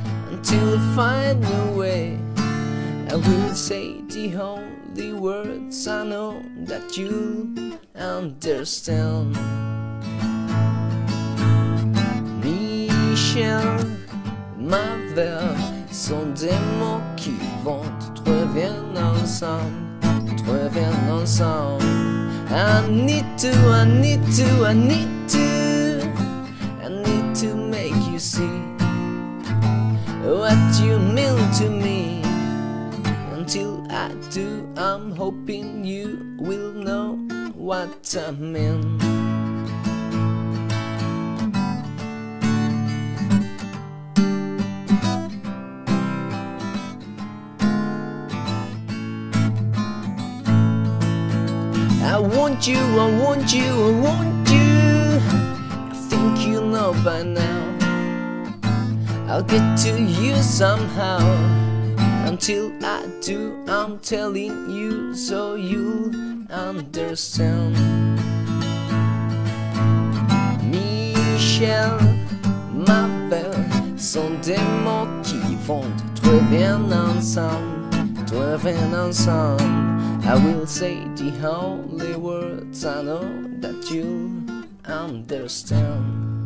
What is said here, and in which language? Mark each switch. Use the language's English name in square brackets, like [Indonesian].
[English] Until I find a way, I will say the only words I know that you understand. [French] Michelle, ma belle, sont des mots qui vont te reviennent ensemble, te reviennent ensemble. [English] I need to, I need to, I need to, I need to make you see what you mean to me. Until I do, I'm hoping you will know what I mean. I want you, I want you, I want you. I think you know by now. I'll get to you somehow. Until I do, I'm telling you so you'll understand. [French] Michelle, ma belle, sont des mots qui vont très bien ensemble, très bien ensemble. [English] I will say the only words I know that you understand.